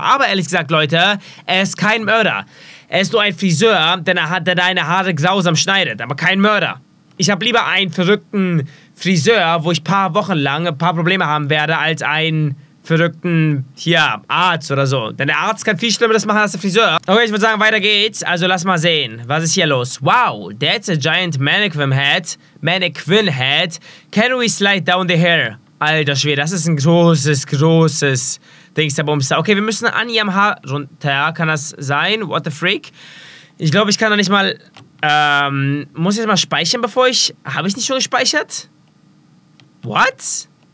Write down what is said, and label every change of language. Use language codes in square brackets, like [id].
[de] Aber ehrlich gesagt, Leute, er ist kein Mörder. Er ist nur ein Friseur, der deine Haare grausam schneidet. Aber kein Mörder. Ich habe lieber einen verrückten Friseur, wo ich paar Wochen lang ein paar Probleme haben werde, als einen verrückten, ja, Arzt oder so. Denn der Arzt kann viel Schlimmeres machen als der Friseur. Okay, ich würde sagen, weiter geht's. Also lass mal sehen, was ist hier los? [en] Wow, that's a giant mannequin head. Can we slide down the hair? [de] Alter Schwede, das ist ein großes Dingsabums. Okay, wir müssen an ihrem Haar runter. Kann das sein? [en] What the freak? [de] Ich glaube, ich kann noch nicht mal... muss ich jetzt mal speichern, bevor ich... Habe ich nicht schon gespeichert? [en] What?